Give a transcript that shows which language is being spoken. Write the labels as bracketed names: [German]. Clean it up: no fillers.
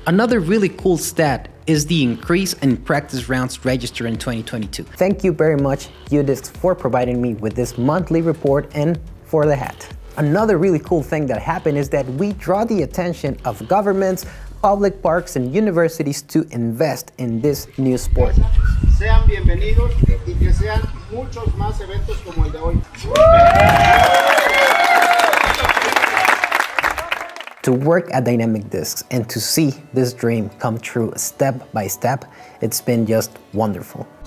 [English] Another really cool stat is the increase in practice rounds registered in 2022. Thank you very much, UDiscs, for providing me with this monthly report and for the hat. Another really cool thing that happened is that we draw the attention of governments, public parks, and universities to invest in this new sport. [Spanish] Sean bienvenidos y que sean muchos más eventos como el de hoy. [English] To work at Dynamic Discs and to see this dream come true step by step, it's been just wonderful.